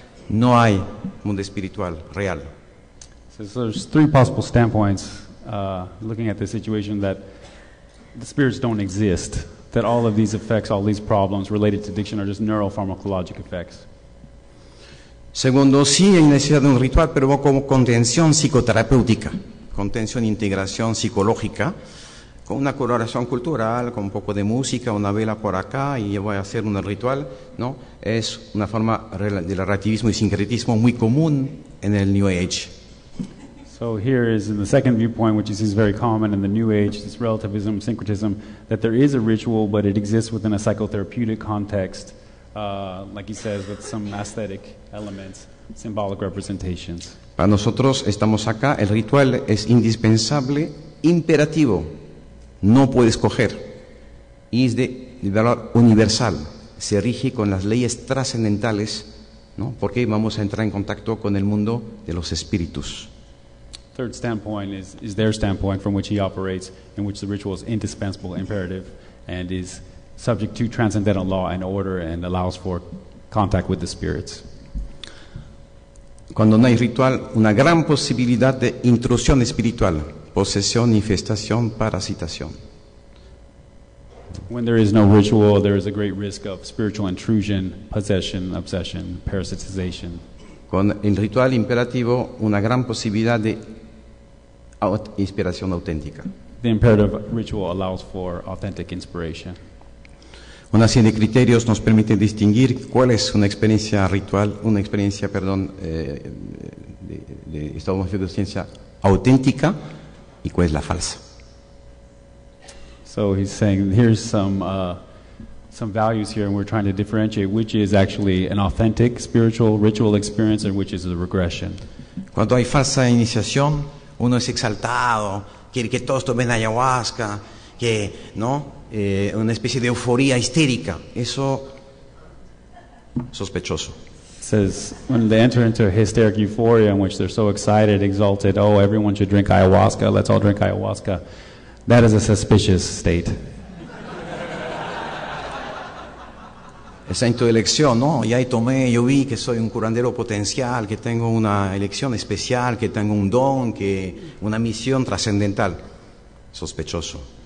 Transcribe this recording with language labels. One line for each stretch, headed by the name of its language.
Spanish: No hay mundo espiritual real.
English: So there's three possible standpoints looking at the situation, that the spirits don't exist, that all of these effects, all these problems related to addiction are just neuropharmacologic effects.
Spanish: Segundo, sí hay necesidad de un ritual, pero como contención psicoterapéutica. Contención, integración psicológica, con una colaboración cultural, con un poco de música, una vela por acá, y yo voy a hacer un ritual, ¿no? Es una forma de relativismo y sincretismo muy común en el New Age.
English: So here is the second viewpoint, which is very common in the New Age, this relativism, syncretism, that there is a ritual, but it exists within a psychotherapeutic context, like he says, with some aesthetic elements, symbolic representations.
Spanish: Para nosotros estamos acá, el ritual es indispensable, imperativo, no puede escoger, y es de valor universal, se rige con las leyes trascendentales, ¿no? Porque vamos a entrar en contacto con el mundo de los espíritus.
English: Third standpoint is their standpoint from which he operates, in which the ritual is indispensable, imperative, and is subject to transcendental law and order and allows for contact with the spirits.
Spanish: Cuando no hay ritual, una gran posibilidad de intrusión espiritual, posesión, infestación, parasitación.
English: When there is no ritual, there is a great risk of spiritual intrusion, possession, obsession, parasitization.
Spanish: Con el ritual imperativo, una gran posibilidad de inspiración auténtica.
English: The imperative ritual allows for authentic inspiration.
Spanish: Una serie de criterios nos permite distinguir cuál es una experiencia ritual, una experiencia, perdón, de estado de conciencia auténtica y cuál es la falsa.
English: So he's saying here's some values here, and we're trying to differentiate which is actually an authentic spiritual ritual experience and which is a regression.
Spanish: Cuando hay falsa iniciación, uno es exaltado, quiere que todos tomen ayahuasca, que, ¿no? Una especie de euforia histérica, eso sospechoso.
English: Says when they enter into a hysteric euphoria in which they're so excited, exalted, oh, everyone should drink ayahuasca, let's all drink ayahuasca, that is a suspicious state.
Spanish: Esa intuelección, ¿no? Ya tomé, yo vi que soy un curandero potencial, que tengo una elección especial, que tengo un don, que una misión trascendental, sospechoso.